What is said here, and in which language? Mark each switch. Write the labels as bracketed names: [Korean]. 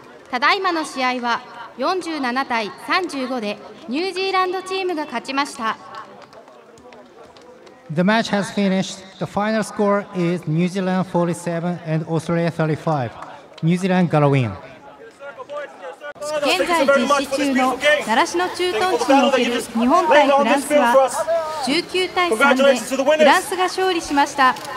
[Japanese] ただいまの試合は47対35でニュージーランドチームが勝ちました。 [English] The match has finished. The final score is New Zealand 47 and Australia 35. New Zealand got a win. [Japanese] 現在実施中の習志野駐屯地における日本対フランスは19対3でフランスが勝利しました。